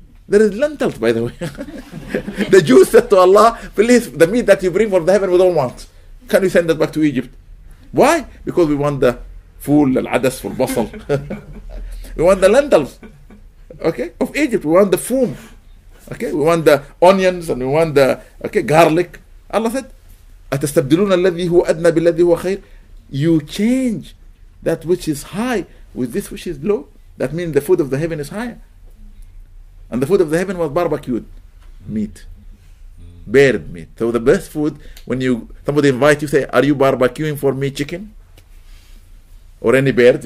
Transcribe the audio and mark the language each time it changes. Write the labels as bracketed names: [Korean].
[English] There is lentils, by the way. The Jews said to Allah, please, the meat that you bring from the heaven, we don't want. Can you send that back to Egypt? Why? Because we want the ful, [Arabic] al-adas, al-basal. [English] We want the lentils, okay, of Egypt. We want the fum, okay? We want the onions, and we want the, okay, garlic. [Arabic] Allah said, أَتَسْتَبْدِلُونَ الَّذِي هُوَ أَدْنَى بِالَّذِي هُوَ خَيْرٌ. [English] You change that which is high with this which is low. That means the food of the heaven is higher. And the food of the heaven was barbecued meat. Bared meat. So the best food, when you somebody invite you, say, are you barbecuing for me chicken? Or any bird?